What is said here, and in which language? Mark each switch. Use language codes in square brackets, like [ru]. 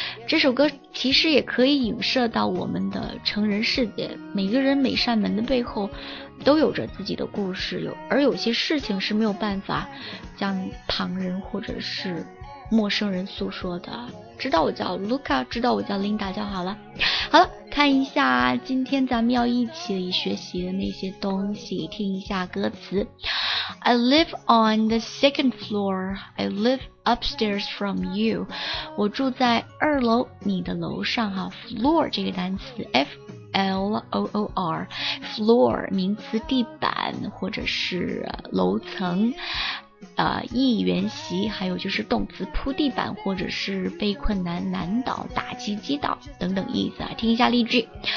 [zh] 这首歌其实也可以影射到我们的成人世界，每个人每扇门的背后都有着自己的故事，而有些事情是没有办法向旁人或者是陌生人诉说的。知道我叫 Luca， 知道我叫 Linda 就好了。好了，看一下今天咱们要一起学习的那些东西，听一下歌词。 [en] I live on the second floor, I live upstairs from you. [zh] 我住在二楼你的楼上哈。 Floor 这个单词 F-L-O-O-R Floor 名词，地板或者是楼层，一元席，还有就是动词铺地板或者是被困难难倒打击击倒等等意思啊。听一下例句。